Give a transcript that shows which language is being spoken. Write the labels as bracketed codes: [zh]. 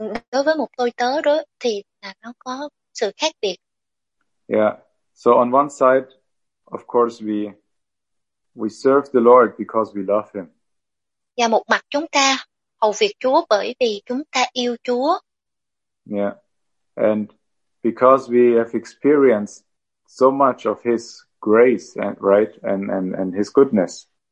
[vi] Đối với một tôi tớ đó thì nó có sự khác biệt. [en] Yeah. So on one side, of course, we serve the Lord because we love him. [vi] Và một mặt chúng ta hầu việc Chúa bởi vì chúng ta yêu Chúa. [en] Yeah. And because we have experienced so much of his grace and right and his goodness.